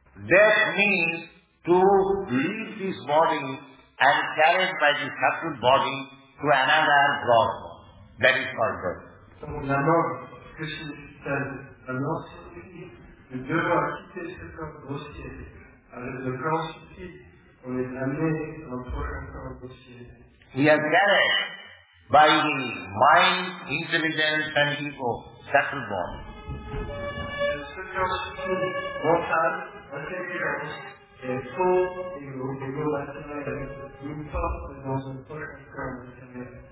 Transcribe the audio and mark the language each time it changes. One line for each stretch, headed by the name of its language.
English: That means to leave this body and carried by this subtle body to another God. That is called birth.
French: La mort, que signifie-t-elle? La mort signifie de devoir quitter ce corps grossier. Avec le corps subtil, on est amené dans le prochain corps grossier.
English: We are carried by the mind, intelligence and ego, subtle body.
French: Ce corps subtil, mental, intelligence, et faux, ego matériel, nous porte dans un prochain corps grossier.